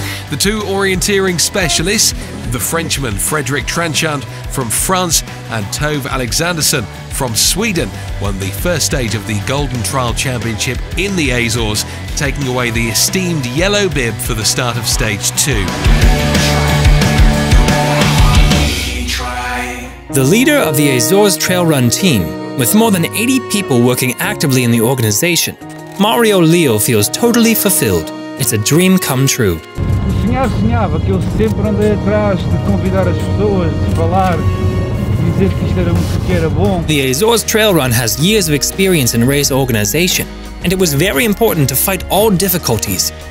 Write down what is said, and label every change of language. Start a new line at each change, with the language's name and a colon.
English: The two orienteering specialists, the Frenchman Frederick Tranchant from France and Tove Alexanderson from Sweden, won the first stage of the Golden Trail Championship in the Azores, taking away the esteemed yellow bib for the start of stage two. The leader of the Azores Trail Run team, with more than 80 people working actively in the organization, Mario Leo feels totally fulfilled. It's a dream come true.
Portuguese: Sonhava que eu sempre andei atrás de convidar as pessoas, de falar, de dizer que isto era muito, que era bom.
English: The Azores Trail Run has years of experience in race organization, and it was very important to fight all difficulties,